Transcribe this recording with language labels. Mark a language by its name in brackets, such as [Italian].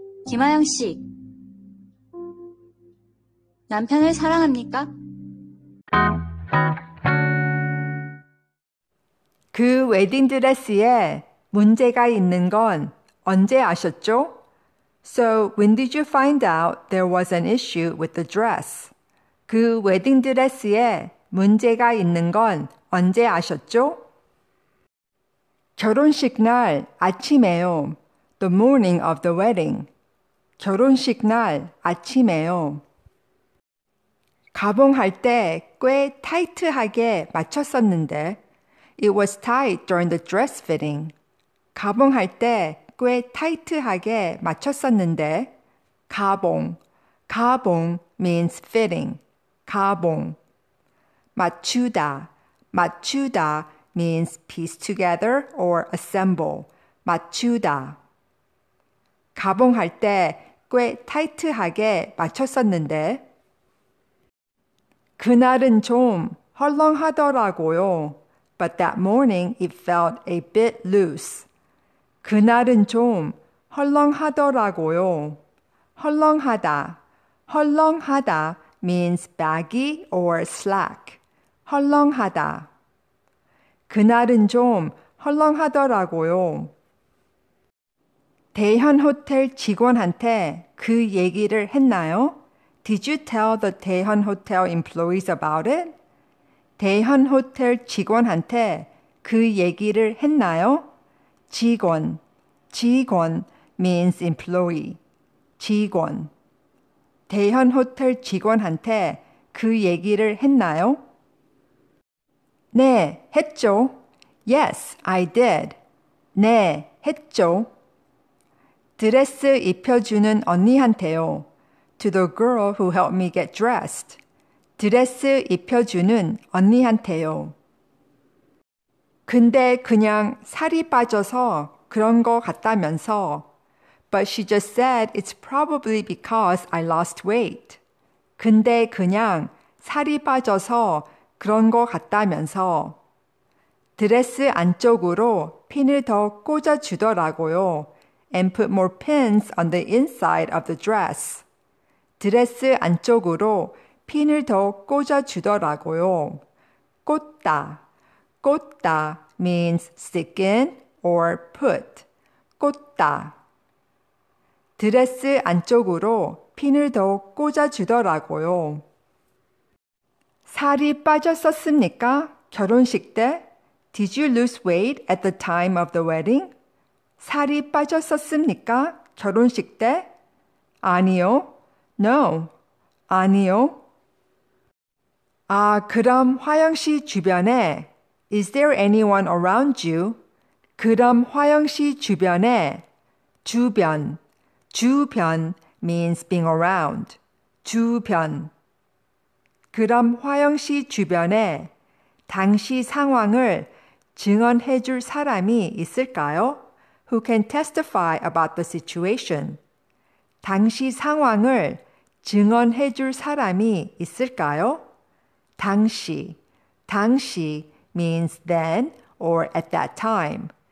[Korean] 김하영 씨, 남편을 사랑합니까? 그 웨딩드레스에 문제가 있는 건 언제 아셨죠? [English] So, when did you find out there was an issue with the dress? [Korean] 그 웨딩드레스에 문제가 있는 건 언제 아셨죠? 결혼식 날 아침에요. [English] The morning of the wedding. [Korean] 결혼식 날 아침에요. 가봉 할 때 꽤 타이트하게 맞췄었는데 [English] It was tight during the dress fitting. [Korean] 가봉 할 때 꽤 타이트하게 맞췄었는데 가봉, 가봉 [English] means fitting. [Korean] 가봉 맞추다, 맞추다 [English] means piece together or assemble. [Korean] 맞추다 가봉 할 때 꽤 타이트하게 맞췄었는데 그날은 좀 헐렁하더라고요. [English] But that morning it felt a bit loose. [Korean] 그날은 좀 헐렁하더라고요. [English] 헐렁하다. 헐렁하다 means baggy or slack. 헐렁하다. [Korean] 그날은 좀 헐렁하더라고요. 대현 호텔 직원한테 그 얘기를 했나요? [English] Did you tell the 대현 호텔 employees about it? [Korean] 대현 호텔 직원한테 그 얘기를 했나요? 직원, 직원 [English] means employee, [Korean] 직원. 대현 호텔 직원한테 그 얘기를 했나요? 네, 했죠. [English] Yes, I did. [Korean] 네, 했죠. 드레스 입혀주는 언니한테요. [English] to the girl who helped me get dressed. [Korean] 드레스 입혀주는 언니한테요. 근데 그냥 살이 빠져서 그런 거 같다면서. [English] But she just said it's probably because I lost weight. [Korean] 근데 그냥 살이 빠져서 그런 거 같다면서. 드레스 안쪽으로 핀을 더 꽂아주더라고요. [English] And put more pins on the inside of the dress. [Korean] 드레스 안쪽으로 핀을 더 꽂아주더라고요. [English] 꽂다. 꽂다 means stick in or put. 꽂다. [Korean] 드레스 안쪽으로 핀을 더 꽂아주더라고요. 살이 빠졌었습니까? 결혼식 때? [English] Did you lose weight at the time of the wedding? [Korean] 살이 빠졌었습니까? 결혼식 때? 아니요. [English] No. [Korean] 아니요. 아, 그럼 화영 씨 주변에 [English] Is there anyone around you? [Korean] 그럼 화영 씨 주변에 주변 주변 [English] means being around. [Korean] 주변 그럼 화영 씨 주변에 당시 상황을 증언해 줄 사람이 있을까요? [English] Who can testify about the situation? [Korean] 당시 상황을 증언해 줄 사람이 있을까요? [English] 당시, 당시 means then or at that time.